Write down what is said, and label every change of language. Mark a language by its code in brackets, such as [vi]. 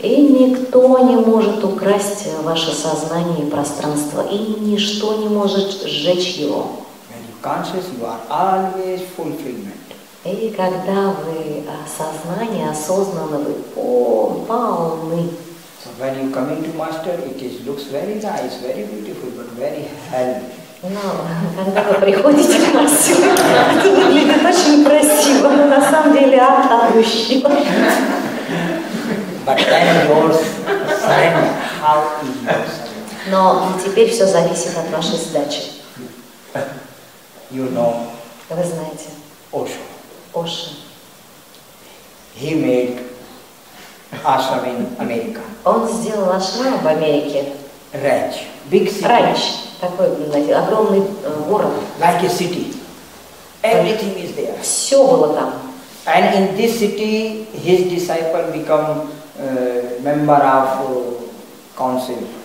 [ru] И никто не может украсть ваше сознание и пространство. И ничто не может сжечь его. [en] Conscious, you are always fulfillment. [ru] И когда вы сознание осознанно, вы полны. [en] So when you come into master, it is looks very nice, very beautiful, but very hell. [ru] Но когда вы приходите к мастеру, это выглядит очень красиво, но на самом деле ад адущего. [en] But then yours, how is yours? [ru] Но теперь все зависит от вашей задачи. [en] You know. [ru] Вы знаете. [en] Osho. [ru] Osho. [en] He made ashram in America. [ru] Он сделал ашрам в Америке. [en] Ranch, big city. [ru] Ranch, такой, знаете, огромный город. [en] Like a city. Everything is there. [ru] Все было там. [en] And in this city, his disciple become member of council.